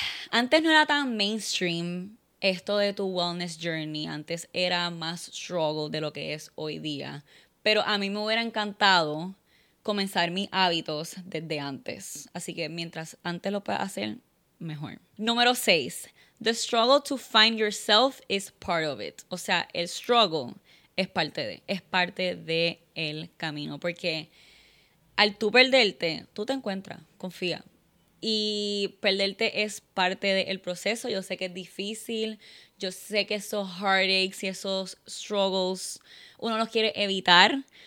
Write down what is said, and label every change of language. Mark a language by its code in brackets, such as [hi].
[es] Antes no era tan mainstream esto de tu wellness journey, antes era más struggle de lo que es hoy día. Pero a mí me hubiera encantado comenzar mis hábitos desde antes. Así que mientras antes lo puedas hacer, mejor. Número 6. [en] The struggle to find yourself is part of it. [es] O sea, el struggle es parte de el camino. Porque al tú perderte, tú te encuentras, confía. Y perderte es parte del proceso. Yo sé que es difícil. Yo sé que esos heartaches y esos struggles, uno los quiere evitar.